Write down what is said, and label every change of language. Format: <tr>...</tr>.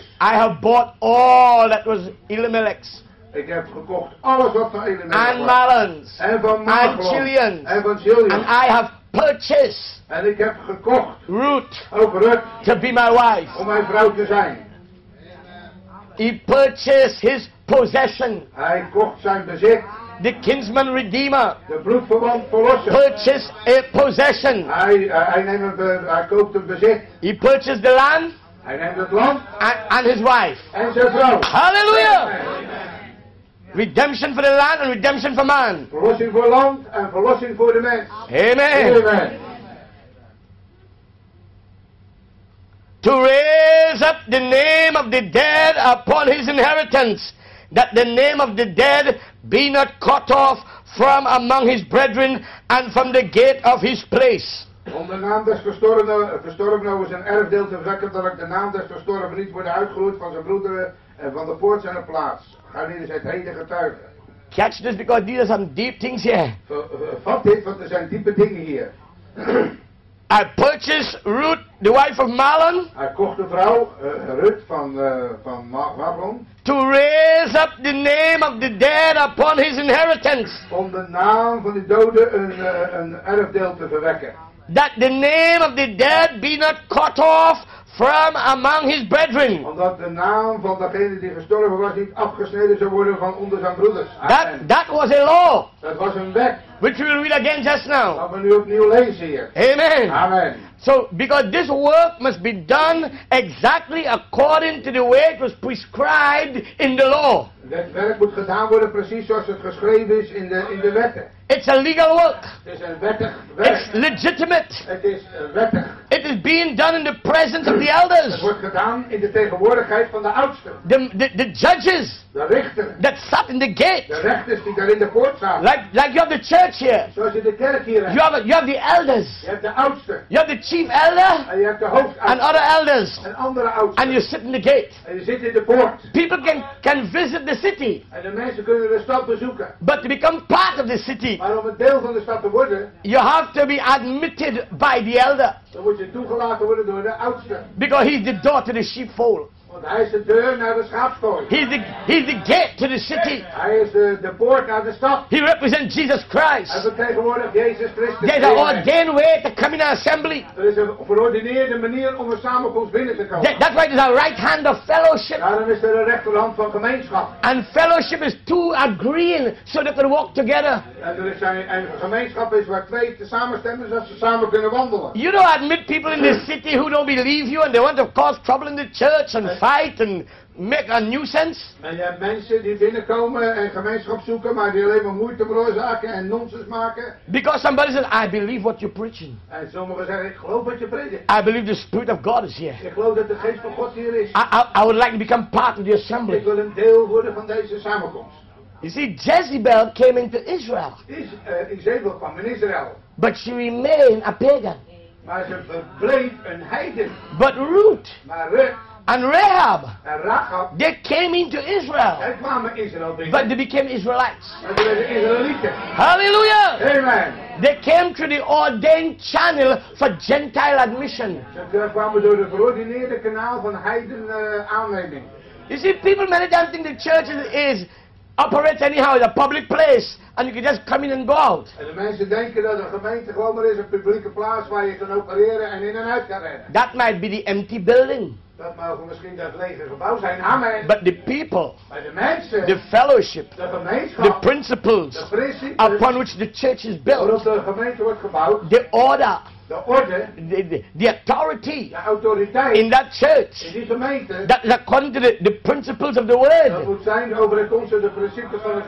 <en>I have bought all that was Elimelech's.</en> <nl>Ik heb gekocht alles wat van Elimelech was.</nl> <en>And Mahlon's.</en> <nl>En van Mahlon.</nl> <en>And Chilion's.</en> <nl>En van Chilion's.</nl> <en>And I have purchased.</en> <nl>En ik heb gekocht.</nl> <en>Ruth.</en> <nl>Ook Ruth.</nl> <en>To be my wife.</en> <nl>Om mijn vrouw te zijn.</nl> <en>He purchased his possession.</en> <nl>Hij kocht zijn bezit.</nl> <en>The kinsman redeemer.</en> <nl>De bloedverwant verlosser.</nl> <en>Purchased a possession.</en> <nl>Hij koopt een bezit.</nl> <en>He purchased the land.</en> <nl>Hij neemt het land.</nl> <en>And his wife.</en> <nl>En zijn vrouw.</nl> <en>Hallelujah. Redemption for the land and redemption for man.</en> <nl>Verlossing voor land en verlossing voor de mens.</nl> <en>Amen.</en> <nl>Amen.</nl> <en>To raise up the name of the dead upon his inheritance, that the name of the dead be not cut off from among his brethren and from the gate of his place.</en> <nl>Om de naam des gestorvenen over zijn erfdeel te verwekken, dat ik de naam des gestorvenen niet worden uitgeroeid van zijn broederen en van de poort zijn plaats. Ga niet eens het heden getuigen.</nl> <en>Catch this, because these are some deep things here.</en> <nl>Vat dit, want er zijn diepe dingen hier.</nl> <en>I purchased Ruth, the wife of Mahlon.</en> <nl>Hij kocht de vrouw, Ruth van Mahlon.</nl> <en>To raise up the name of the dead upon his inheritance.</en> <nl>Om de naam van de doden een erfdeel te verwekken.</nl> <en>That the name of the dead be not cut off from among his brethren.</en> <nl>Omdat de naam van degene die gestorven was niet afgesneden zou worden van onder zijn broeders.</nl> <en>That was a law.</en> <nl>Dat was een wet.</nl> <en>which we will read again just now.</en> <nl>Wat we nu opnieuw lezen hier.</nl> <en>Amen.</en> <nl>Amen.</nl> <en>So, because this work must be done exactly according to the way it was prescribed in the law.</en> <nl>Dat werk moet gedaan worden precies zoals het geschreven is in de wetten.</nl> <en>It's a legal work.</en> <nl>Het is een wettig werk.</nl> <en>It's legitimate.</en> <nl>Het is wettig.</nl> <en>It is being done in the presence of the elders.</en> <nl>Het wordt gedaan in de tegenwoordigheid van de oudsten.</nl> <en>The judges.</en> <nl>De rechters.</nl> <en>That sat in the gate.</en> <nl>De rechters die daar in de poort zaten.</nl> <en>Like you have the church here.</en> <nl>Zoals je de kerk hier hebt.</nl> <en>You have the elders.</en> <nl>Je hebt de oudsten.</nl> <en>You have the chief elder.</en> <nl>En je hebt de hoofdouders.</nl> <en>And other elders.</en> <nl>En andere oudsten.</nl> <en>And you sit in the gate.</en> <nl>En je zit in de poort.</nl> <en>People can visit the city.</en> <nl>En de mensen kunnen de stad bezoeken.</nl> <en>But to become part of the city.</en> <nl>Maar om een deel van de stad te worden.</nl> <en>You have to be admitted by the elder.</en> <nl>Dan moet je toegelaten worden door de oudsten.</nl> <en>Because he's the door to the sheepfold.</en> <nl>Want hij is de deur naar de schaapskooi.</nl> <en>He's the gate to the city.</en> <nl>Hij is de poort naar de stad.</nl> <en>He represents Jesus Christ.</en> <nl>Hij vertegenwoordigt Jezus Christus.</nl> <en>There's an ordained way to come in our assembly.</en> <nl>Er is een verordineerde manier om een samenkomst binnen te komen.</nl> <en>That's why there's a right hand of fellowship.</en> <nl>Daarom is er een rechterhand van gemeenschap.</nl> <en>And fellowship is two agreeing so they can walk together.</en> <nl>En gemeenschap is waar twee te samenstemmen zodat ze samen kunnen wandelen.</nl> <en>You don't admit people in this city who don't believe you and they want to cause trouble in the church and fight and make a nuisance.</en> <nl>En je hebt mensen die binnenkomen en gemeenschap zoeken, maar die alleen maar moeite veroorzaken en nonsens maken.</nl> <en>Because somebody says, I believe what you're preaching.</en> <nl>En sommigen zeggen, ik geloof wat je predikt.</nl> <en>I believe the Spirit of God is here.</en> <nl>Ik geloof dat de Geest van God hier is.</nl> <en>I would like to become part of the assembly.</en> <nl>Ik wil een deel worden van deze samenkomst.</nl> <en>You see, Jezebel came into Israel.</en> <nl>Jezebel kwam in Israël.</nl> <en>But she remained a pagan.</en> <nl>Maar ze verbleef een heiden.</nl> <en>But Ruth.</en> <nl>Maar Ruth.</nl> <en>And Rahab,</en> <nl>en Rahab,</nl> <en>they came into Israel.</en> <nl>Zij kwamen Israël binnen.</nl> <en>But they became Israelites.</en> <nl>Maar ze werden Israëlieten.</nl> <en>Hallelujah.</en> <nl>Amen.</nl> <en>They came through the ordained channel for Gentile admission.</en> <nl>Ze kwamen door de verordineerde kanaal van heiden aanneming.</nl> <en>You see, people many times think the church is operates anyhow, it's a public place, and you can just come in and go out.</en> <nl>En de mensen denken dat een gemeente gewoon maar is een publieke plaats waar je kan opereren en in en uit kan rennen.</nl> <en>That might be the empty building.</en> <nl>Dat mogen misschien dat lege gebouw zijn.</nl> <en>Amen. But the people.</en> <nl>Maar de mensen.</nl> <en>The fellowship.</en> <nl>De gemeenschap.</nl> <en>The principles.</en> <nl>De principes.</nl> <en>Upon which the church is built.</en> <nl>Waarop de gemeente wordt gebouwd.</nl> <en>The order.</en> <nl>De orde.</nl> <en>The authority.</en> <nl>De autoriteit.</nl> <en>In that church.</en> <nl>In die gemeente.</nl> <en>That is according to the principles of the word.</en> <nl>Dat moet zijn overeenkomst van de principes van het woord.</nl>